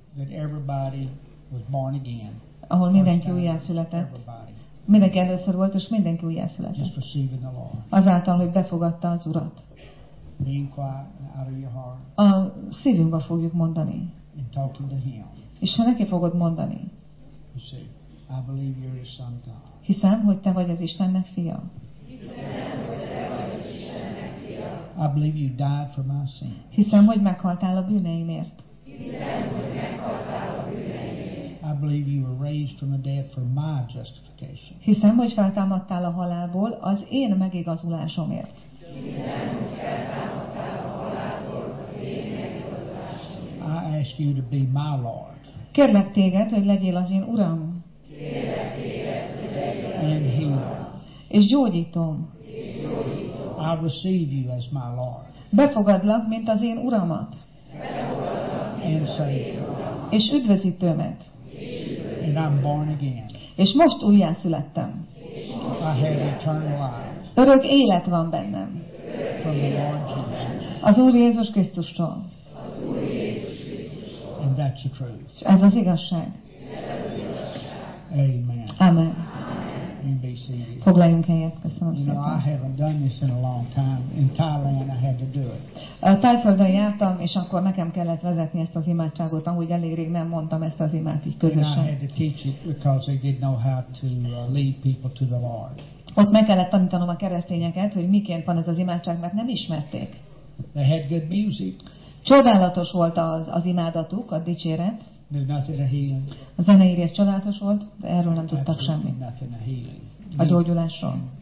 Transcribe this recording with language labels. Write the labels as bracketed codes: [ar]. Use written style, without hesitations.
[en] that everybody was born again, [hu] ahol mindenki újjászületett. Mindenki először volt, és mindenki újjászületett. Azáltal, hogy befogadta az Urat. [en] Being quiet out of your heart. [hu] A szívünkbe fogjuk mondani. [en] And talking to Him. [hu] És ha neki fogod mondani. [en] You see, I believe you're His Son God. [hu] Hiszem, hogy te vagy az Istennek fia. [en] I believe you died for my sin. [hu] Hiszem, hogy meghaltál a bűneimért. [en] I believe you were raised from the dead for my justification. [hu] Hiszem, hogy feltámadtál a halálból az én megigazulásomért. [en] I ask you to be my Lord. [hu] Kérlek téged, hogy legyél az én Uram. [en] And healer. [hu] És gyógyítom. [en] I receive you as my Lord. [hu] Befogadlak, mint az én Uramat. [en] And Savior. [hu] És üdvözítőmet. [en] And I'm born again. [hu] És most újjászülettem. [en] I have eternal life. [hu] Örök élet van bennem. [en] From the Lord Jesus. [hu] Az Úr Jézus Krisztustól. [en] And that's the truth. [hu] Ez az igazság. [en] Amen. [hu] Amen. [en] You be seated. [hu] Foglaljon helyet, köszönöm. [en] You know, I haven't done this in a long time. In Thailand, I had to do it. [hu] Tájföldön jártam, és akkor nekem kellett vezetni ezt az imádságot, amúgy elég rég nem mondtam ezt az imát így közösen. [en] And I had to teach it because they didn't know how to lead people to the Lord. [hu] Ott meg kellett tanítanom a keresztényeket, hogy miként van ez az imádság, mert nem ismerték. [en] They had good music. [hu] Csodálatos volt az imádatuk, a dicséret. A zenei rész csodálatos volt, de erről nem tudtak semmit. A gyógyulásról.